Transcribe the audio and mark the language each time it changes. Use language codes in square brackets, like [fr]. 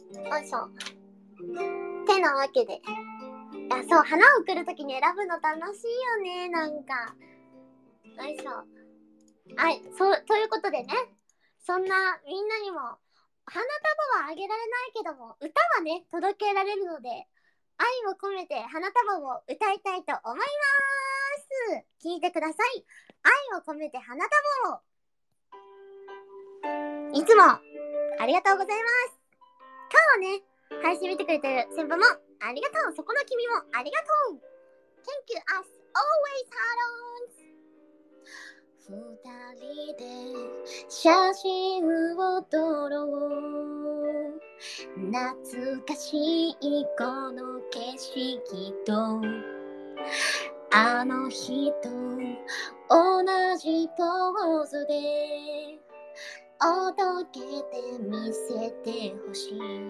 [ja] おいしょてなわけでいやそう花を送るときに選ぶの楽しいよねなんかおいしょはいそうということでねそんなみんなにも花束はあげられないけども歌はね届けられるので愛を込めて花束を歌いたいと思います。聞いてください。愛を込めて花束を。いつもありがとうございます。今日ね、配信見てくれてる先輩もありがとう。そこの君もありがとう。 [en] Thank you as always, Harons。 [ja] 二人で写真を撮ろう懐かしいこの景色とあの日と同じポーズでおどけて見せてほしい